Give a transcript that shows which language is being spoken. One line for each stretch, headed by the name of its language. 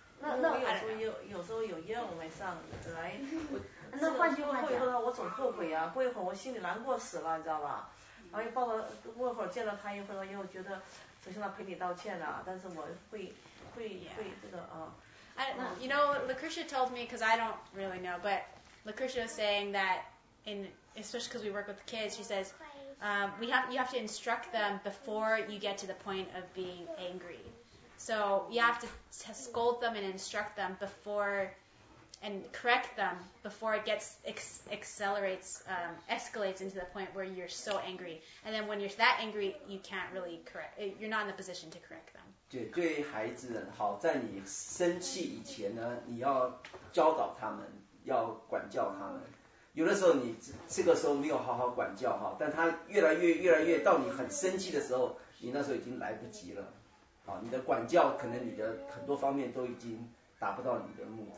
Chinese: 那有时候有业务没上来，那换句话讲，过一会儿我总后悔啊，过一会儿我心里难过死了，你知道吧？然后又抱着，过一会儿见到他一会儿又觉得，首先他赔礼道歉了，但是我会这个啊。
English: You know, Lakrisha told me because I don't really know, but Lakrisha was saying that. And especially because we work with kids, she says, you have to instruct them before you get to the point of being angry. So you have to scold them and instruct them before, and correct them before it gets, escalates into the point where you're so angry. And then when you're that angry, you can't really correct, you're not in the position to correct them.
Chinese: 对孩子好，在你生气以前呢，你要教导他们，要管教他们。有的时候你这个时候没有好好管教哈，但他越来越到你很生气的时候，你那时候已经来不及了，啊，你的管教可能你的很多方面都已经达不到你的目的。